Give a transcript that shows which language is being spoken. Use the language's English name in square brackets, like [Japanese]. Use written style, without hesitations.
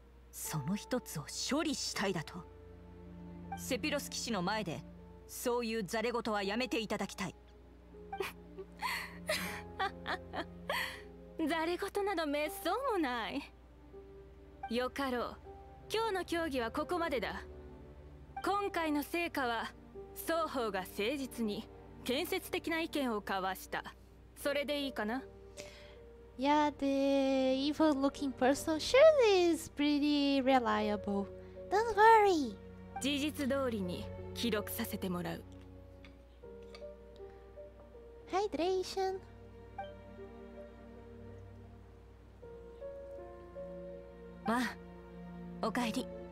[Japanese] その一つを処理したいだと。セピロス騎士の前でそういうザレ事はやめていただきたい。ざれ事など滅相もない。よかろう。今日の協議はここまでだ。今回の成果は双方が誠実に建設的な意見を交わした。それでいいかな。 [English] Yeah, the evil-looking person surely is pretty reliable. Don't worry. [Japanese] 事実通りに記録させてもらう. [English] Hydration. [Japanese] わ、おかえり.